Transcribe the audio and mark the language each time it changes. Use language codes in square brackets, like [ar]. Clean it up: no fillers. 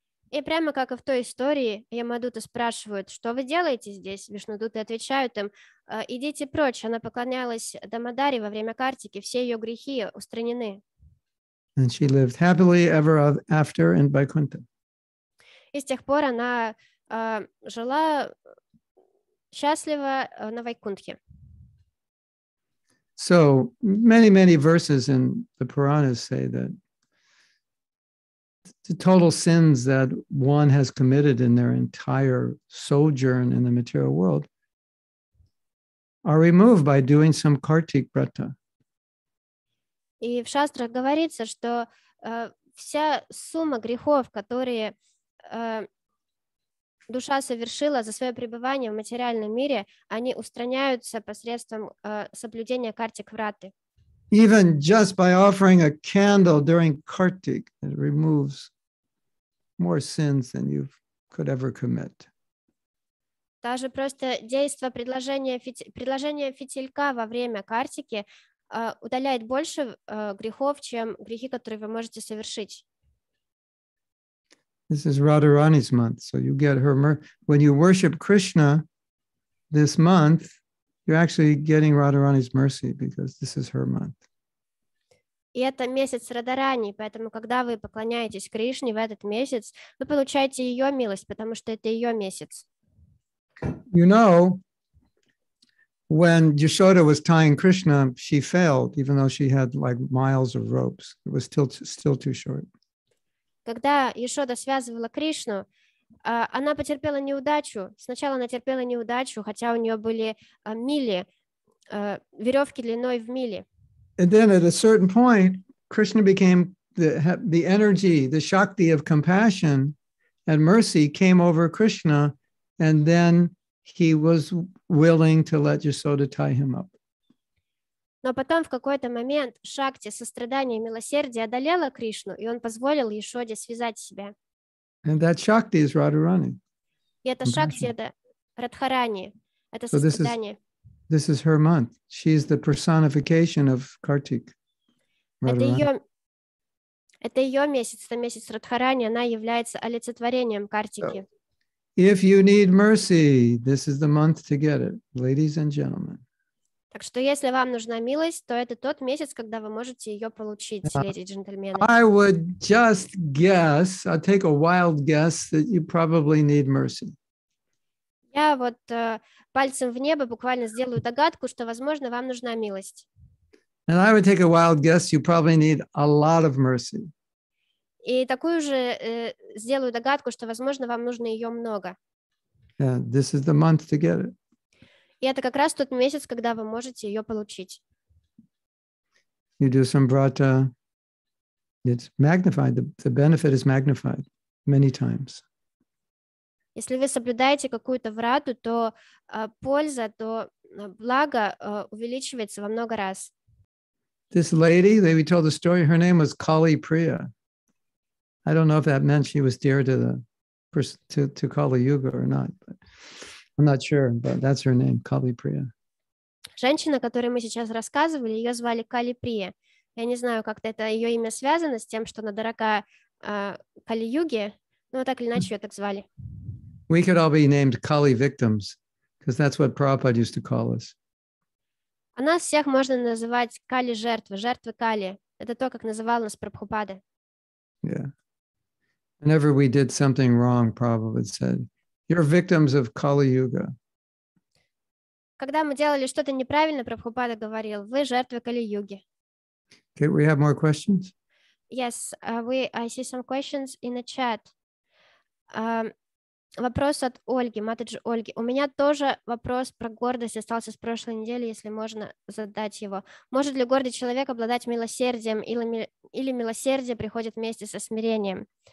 [ru] И прямо как и в той истории, Ямадуты спрашивают, что вы делаете здесь? Вишнудуты отвечают им, идите прочь, она поклонялась Дамодаре во время Картики, все ее грехи устранены. [en] And she lived happily ever after in Vaikuntha. [ru] И с тех пор она жила счастливо на Вайкунтхе. [en] So many, many verses in the Puranas say that the total sins that one has committed in their entire sojourn in the material world are removed by doing some kartik vrata. [ru] И в шастрах говорится, что вся сумма грехов, которые душа совершила за свое пребывание в материальном мире, они устраняются посредством соблюдения картик враты. [en] Even just by offering a candle during kartik, it removes more sins than you could ever commit. [ru] Даже просто действие предложения фитилька во время картики удаляет больше грехов, чем грехи, которые вы можете совершить. [en] This is Radharani's month, so you get her when you worship Krishna this month, you're actually getting Radharani's mercy because this is her month. [ru] И это месяц Радарани, поэтому, когда вы поклоняетесь Кришне в этот месяц, вы получаете ее милость, потому что это ее месяц. [en] You know, when Yashoda was tying Krishna, she failed, even though she had like miles of ropes. It was still too short. [ru] Когда Яшода связывала Кришну, она потерпела неудачу. Сначала она терпела неудачу, хотя у нее были мили, веревки длиной в мили. [en] And then at a certain point, Krishna became the energy, the shakti of compassion and mercy came over Krishna, and then he was willing to let Yashoda tie him up. [ru] Но потом в какой-то момент шакти сострадания и милосердия одолела Кришну, и он позволил Яшоде связать себя. [en] And that shakti is Radharani. [ru] И это шакти, это Радхарани, это сострадание. [en] This is her month. She is the personification of Kartik. [ru] Это ее месяц, это месяц Радхарани, она является олицетворением Картики. [en] If you need mercy, this is the month to get it, ladies and gentlemen. [ru] Так что если вам нужна милость, то это тот месяц, когда вы можете ее получить, леди и джентльмены. [en] I would just guess, I'll take a wild guess, that you probably need mercy. [ru] Я вот пальцем в небо буквально сделаю догадку, что, возможно, вам нужна милость. [en] And I would take a wild guess, you probably need a lot of mercy. [ru] И такую же сделаю догадку, что, возможно, вам нужно ее много. [en] Yeah, this is the month to get it. [ru] И это как раз тот месяц, когда вы можете ее получить. [en] You do some vrata. It's magnified. The benefit is magnified many times. [ru] Если вы соблюдаете какую-то врату, то польза, то благо увеличивается во много раз. [en] This lady, we told the story, her name was Kali Priya. I don't know if that meant she was dear to Kali Yuga or not, but I'm not sure, but that's her name, Kali Priya. [ru] Женщина, о которой мы сейчас рассказывали, ее звали Кали Прия. Я не знаю, как-то это ее имя связано с тем, что она дорога Кали Юге, но так или иначе ее так звали. [en] We could all be named Kali victims, because that's what Prabhupada used to call us. [ru] А нас всех можно называть Кали жертвы, жертвы Кали. Это то, как называл нас Прабхупада. [en] Yeah. Whenever we did something wrong, Prabhupada said, "You're victims of Kali Yuga." [ru] Когда мы делали что-то неправильно, Прабхупада говорил, "Вы жертвы Кали Юги." [en] Okay, we have more questions. Yes, I see some questions in the chat. [ru] Вопрос от Ольги, матаджи Ольги. У меня тоже вопрос про гордость остался с прошлой недели, если можно задать его. Может ли гордый человек обладать милосердием или милосердие приходит вместе со смирением?